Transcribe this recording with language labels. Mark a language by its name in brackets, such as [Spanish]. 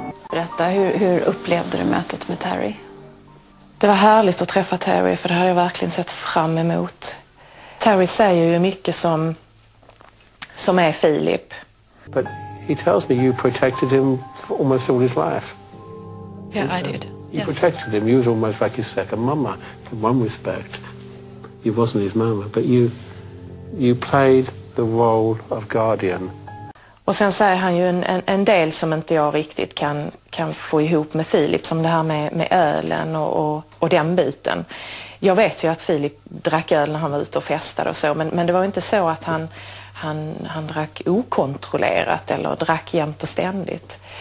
[Swedish] Berätta, hur upplevde du mötet med Terry? Det var härligt att träffa Terry, för det har jag verkligen sett fram emot. Terry säger ju mycket som är Philip. [English] But he tells me you protected him for almost all his life. Yeah, I did. You protected him. You was almost like his second mama in one respect. You wasn't his mama, but you played the role of guardian. [Swedish] Och sen säger han ju en del som inte jag riktigt kan få ihop med Philip, som det här med ölen och den biten. Jag vet ju att Philip drack öl när han var ute och festade och så, men det var inte så att han drack okontrollerat eller drack jämt och ständigt.